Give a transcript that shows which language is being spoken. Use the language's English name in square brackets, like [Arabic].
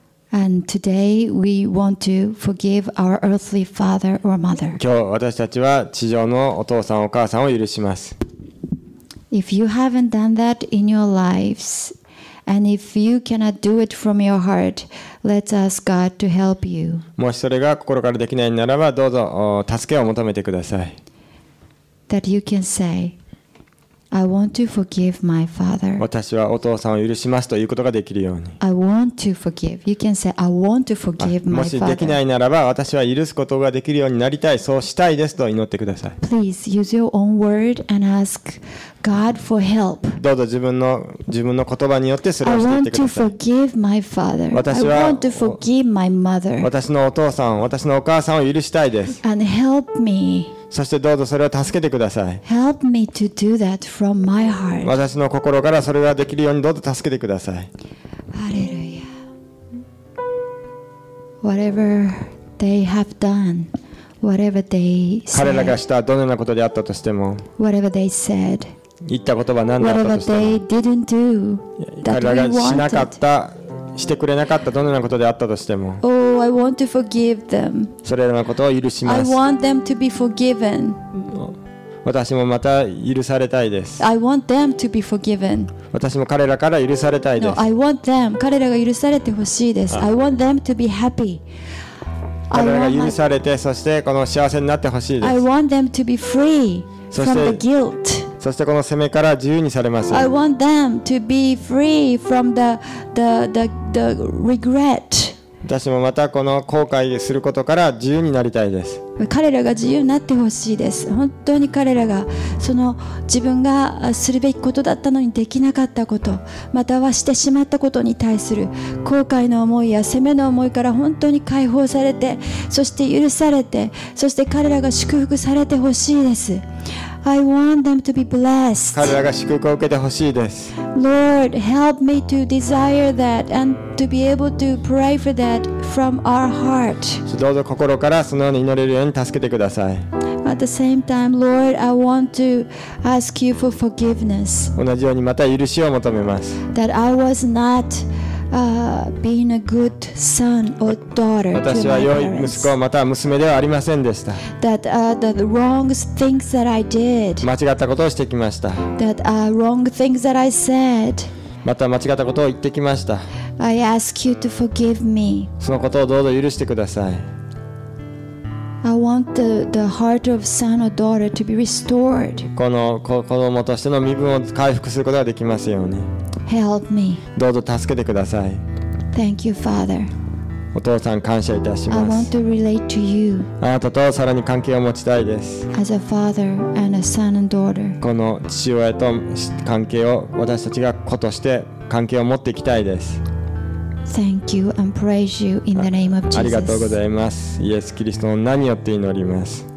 [English] And today we want to forgive our earthly father or mother. [Japanese] 今日私たちは地上のお父さんお母さんを許します。 [English] If you haven't done that in your lives, and if you cannot do it from your heart, let's ask God to help you. [Japanese] もしそれが心からできないならば、どうぞ助けを求めてください。 [English] That you can say, I want to forgive my father. [Japanese] 私はお父さんを許しますということができるように。 [English] I want to forgive. You can say, I want to forgive my father. [Japanese] もしできないならば、私は許すことができるようになりたい、そうしたいですと祈ってください。 [English] Please use your own word and ask God for help. [Japanese] どうぞ自分の言葉によってそれをしていってください。 [English] I want to forgive my father. [Japanese] 私は [English] I want to forgive my mother. [Japanese] 私のお父さん、私のお母さんを許したいです。 [English] And help me. [Japanese] そしてどうぞそれを助けてください。 [English] Help me to do that from my heart. [Japanese] 私の心からそれができるようにどうぞ助けてください。 [English] Hallelujah. Whatever they have done, whatever they said, [Japanese] 彼らがしたどのようなことであったとしても、 [English] whatever they said, [Japanese] 言った言葉は何だったとしても彼らがしなかったしてくれなかったどのようなことであったとしても、 [English] oh, I want to forgive them. [Japanese] それらのことを許します [English] I want them to be forgiven. [Japanese] 私もまた許されたいです [English] I want them to be forgiven. [Japanese] 私も彼らから許されたいです [English] no, I want them. [Japanese] 彼らが許されてほしいです、 [English] ah. I want them to be happy. [Japanese] 彼らが許されてそしてこの幸せになってほしいです [English] I want them to be free from the guilt. [Japanese] そしてこの責めから自由にされます。 [English] I want them to be free from the regret. [Japanese] 私もまたこの後悔することから自由になりたいです。彼らが自由になってほしいです。本当に彼らがその自分がするべきことだったのにできなかったこと、またはしてしまったことに対する後悔の思いや責めの思いから本当に解放されて、そして許されて、そして彼らが祝福されてほしいです。 [English] I want them to be blessed. [Japanese] 彼らが祝福を受けてほしいです。 [English] Lord, help me to desire that and to be able to pray for that from our heart. [Japanese] どうぞ心からそのように祈れるように助けてください。 [English] At the same time, Lord, I want to ask you for forgiveness. [Japanese] 同じようにまた許しを求めます。 [English] That I was not being a good son or daughter to my parents. [Japanese] 私は良い息子または娘ではありませんでした。 [English] That the wrong things that I did. [Japanese] 間違ったことをしてきました。 [English] That wrong things that I said. [Japanese] また間違ったことを言ってきました。 [English] I ask you to forgive me. [Japanese] そのことをどうぞ許してください。 [English] I want the heart of son or daughter to be restored. [Japanese] この子供としての身分を回復することができますように。 [English] Help me. [Japanese] どうぞ助けてください。 [English] Thank you, Father. [Japanese] お父さん感謝いたします。 [English] I want to relate to you. [Japanese] あなたとさらに関係を持ちたいです。 [English] As a father and a son and daughter. [Japanese] この父親と関係を私たちが子として関係を持っていきたいです。 [English] Thank you and praise you in the name of Jesus. [Japanese] ありがとうございます。イエス・キリストの名によって祈ります。